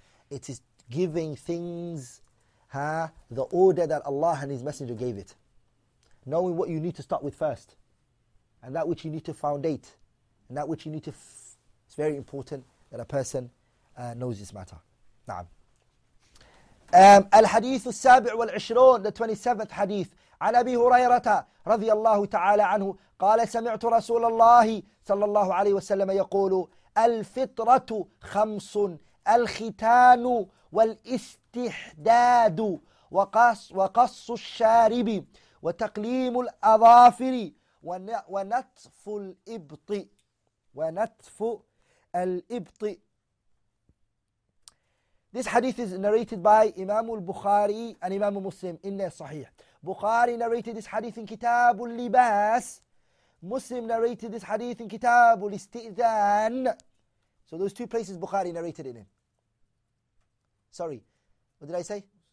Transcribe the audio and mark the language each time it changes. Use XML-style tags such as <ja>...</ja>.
<en>It is giving things the order that Allah and His Messenger gave it. Knowing what you need to start with first, and that which you need to foundate, and that which you need to... It's very important that a person knows this matter.</en> <ar>Naam. الحديث السابع والعشرون,</ar> <en>the 27th hadith,</en> <ar>عن أبي هريرة رضي الله تعالى عنه قال سمعت رسول الله صلى الله عليه وسلم يقول الفطرة خمس الختان والاستحداد وقص الشارب وتقليم الأظافر ونتف الإبط.</ar> <en>This hadith is narrated by Imam al-Bukhari and Imam Muslim in their Sahih. Bukhari narrated this hadith in Kitab al-Libas. Muslim narrated this hadith in Kitab al-Isti'dan. So those two places Bukhari narrated it in. Sorry, what did I say?</en>